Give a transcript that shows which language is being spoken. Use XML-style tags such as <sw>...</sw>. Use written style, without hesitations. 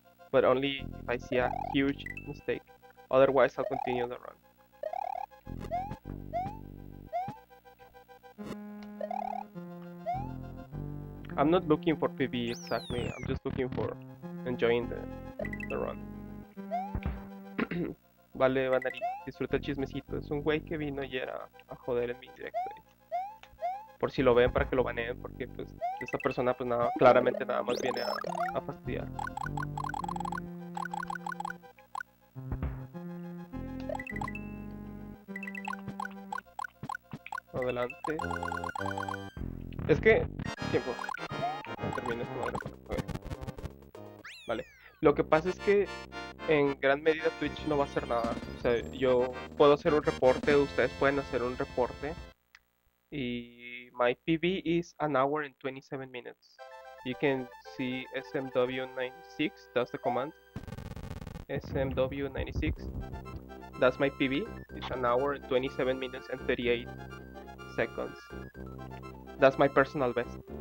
<en>But only if I see a huge mistake. Otherwise, I'll continue the run. I'm not looking for PB exactly, I'm just looking for enjoying the run.</en> <es>Vale, Vanari, disfruta el chismecito. Es un güey que vino ayer a joder en mi directo. Por si lo ven, para que lo baneen, porque pues esta persona pues nada, claramente nada más viene a fastidiar. Adelante. Es que... tiempo. Termino esta madre. Vale. Lo que pasa es que en gran medida Twitch no va a hacer nada. O sea, yo puedo hacer un reporte, ustedes pueden hacer un reporte.</es> <en>Y my PB is an hour and 27 minutes. You can see SMW96, that's the command. SMW96, that's my PB. It's an hour and 27 minutes and 38 seconds. That's my personal best.</en>